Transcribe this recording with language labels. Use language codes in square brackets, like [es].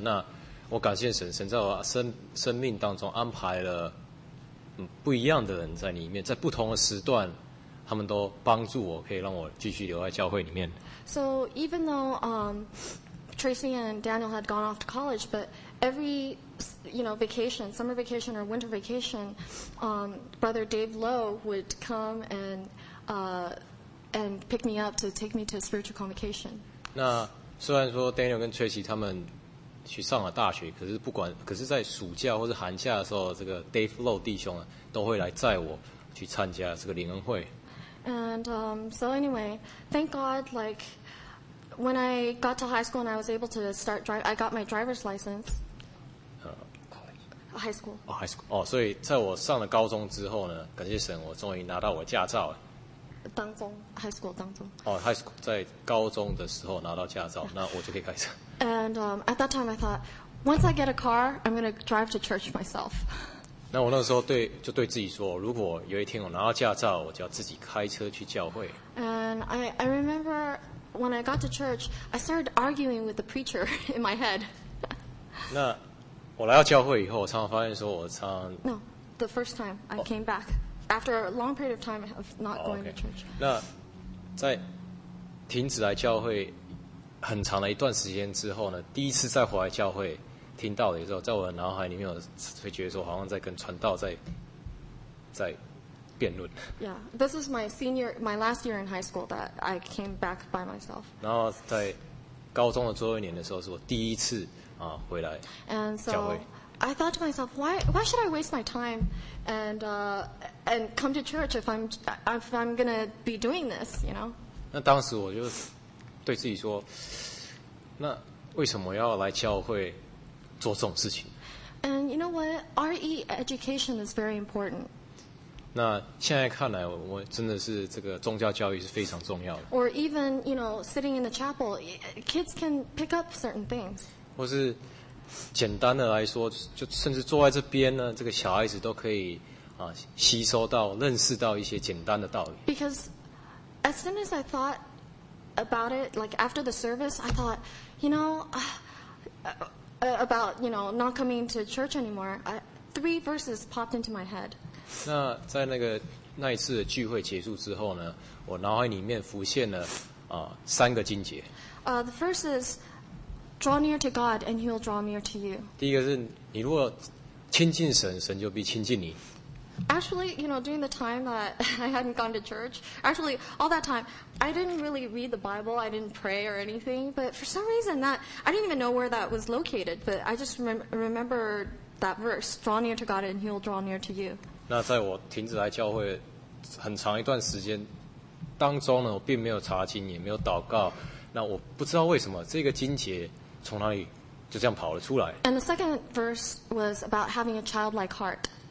[zh] 那我感谢神，神在我生命当中安排了不一样的人在里面，在不同的时段，他们都帮助我，可以让我继续留在教会里面。 [en] So even though Tracy and Daniel had gone off to college, but every you know, vacation, summer vacation or winter vacation, Brother Dave Lowe would come and pick me up to take me to a spiritual convocation. [zh] 那虽然说 Daniel 跟 Tracy 他们去上了大学，可是不管，可是在暑假或是寒假的时候，这个 Dave Lowe 弟兄都会来载我去参加这个灵恩会。 [en] And so anyway, thank God, like when I got to high school and I was able to start drive, I got my driver's license. High school. [zh] 所以在我上了高中之后呢，感谢神，我终于拿到我的驾照了。当中 ， [en] high school [zh] 当中。 [en] High school [zh] 在高中的时候拿到驾照，那我就可以开车。 [en] And at that time, I thought, once I get a car, I'm going to drive to church myself. [zh] 那我那时候对自己说，如果有一天我拿到驾照，我就要自己开车去教会。 [en] And I remember when I got to church, I started arguing with the preacher in my head. [zh] 那我来到教会以后，我常常发现说，我常 [en] No, the first time I came back after a long period of time of not going to church. [zh] 那在停止来教会很长的一段时间之后呢，第一次再回来教会听到的时候，在我的脑海里面，我会觉得说，好像在跟传道在辩论。 [en] Yeah, this is my last year in high school that I came back by myself. [zh] 然后在高中的最后一年的时候，是我第一次。回来教会。 [en] And so I thought to myself, why should I waste my time and come to church if I'm gonna be doing this, you know? [zh] 那当时我就对自己说，那为什么要来教会做这种事情？ [en] And you know what? RE education is very important. [zh] 那现在看来，我真的是这个宗教教育是非常重要的。 [en] Or even you know, sitting in the chapel, kids can pick up certain things. [zh] 或是简单的来说，就甚至坐在这边呢，这个小孩子都可以吸收到、认识到一些简单的道理。 [en] Because as soon as I thought about it, like after the service, I thought, you know, about you know not coming to church anymore. Three verses popped into my head. [zh] 那在那一次的聚会结束之后呢，我脑海里面浮现了三个经节。 [en] The first is. Draw near to God, and He will draw near to you. [zh] 第一个是你如果亲近神，神就必亲近你。 [en] actually, you know, during the time that I hadn't gone to church, actually, all that time, I didn't really read the Bible, I didn't pray or anything, but for some reason that, I didn't even know where that was located, but I just remember that verse, draw near to God and He will draw near to you. [zh] 那在我停止来教会很长一段时间当中呢，我并没有查经，也没有祷告，那我不知道为什么这个经节从哪里就这样跑了出来。 [en] And the second verse was about having a childlike heart.